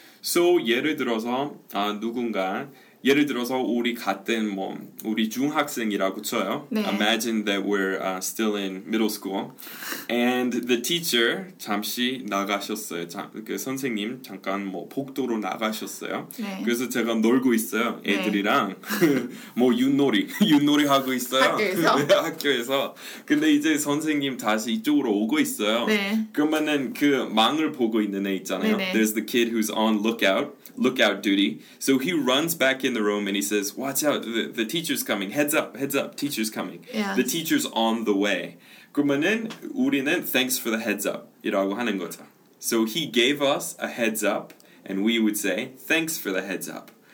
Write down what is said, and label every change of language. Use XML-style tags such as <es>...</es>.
<en>So</en> <ko>예를 들어서 누군가 예를 들어서 우리 같은 뭐 우리 중학생이라고 쳐요. 네.</ko> <en>Imagine that we're still in middle school, and the teacher</en> <ko>잠시 나가셨어요. 그 선생님 잠깐 뭐 복도로 나가셨어요. 네. 그래서 제가 놀고 있어요. 애들이랑 네. 뭐 윷놀이 하고 있어요. 학교에서. 네, 학교에서. 근데 이제 선생님 다시 이쪽으로 오고 있어요. 네. 그러면은 그 망을 보고 있는 애 있잖아요. 네, 네.</ko> <en>There's the kid who's on lookout duty. So he runs back in the room and he says, watch out, the teacher's coming. Heads up, teacher's coming. Yeah. The teacher's on the way.</en> <ko>그러면은 우리는</ko> <en>thanks for the heads up</en> <ko>이라고 하는 거죠.</ko> <en>So he gave us a heads up and we would say thanks for the heads up.</en>